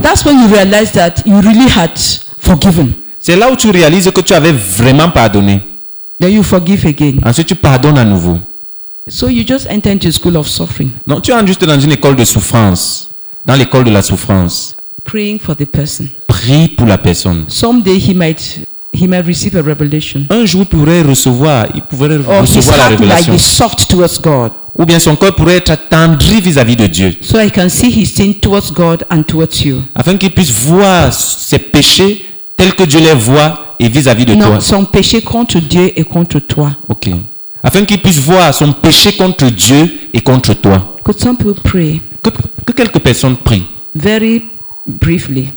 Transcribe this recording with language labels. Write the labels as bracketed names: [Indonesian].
[English] That's when you realize that you really had forgiven. [French] C'est là où tu réalises que tu avais vraiment pardonné. [English] Then you forgive again. [French] Ensuite, tu pardonnes à nouveau. [English] So you just enter into school of suffering. [French] Non, tu entres juste dans une école de souffrance, dans l'école de la souffrance. [English] Praying for the person. [French] prie pour la personne. [English] Someday he might receive a revelation. [French] Un jour il pourrait recevoir la révélation. [English] Like soft towards God. [French] Ou bien son cœur pourrait être attendri vis-à-vis de Dieu. [English] So I can see his sin towards God and towards you. [French] Afin qu'il puisse voir ses péchés tels que Dieu les voit et vis-à-vis de non, toi. Non, son péché contre Dieu et contre toi. OK. Afin qu'il puisse voir son péché contre Dieu et contre toi. [English] Could some people pray? [French] Que quelques personnes prient. [English] Very briefly.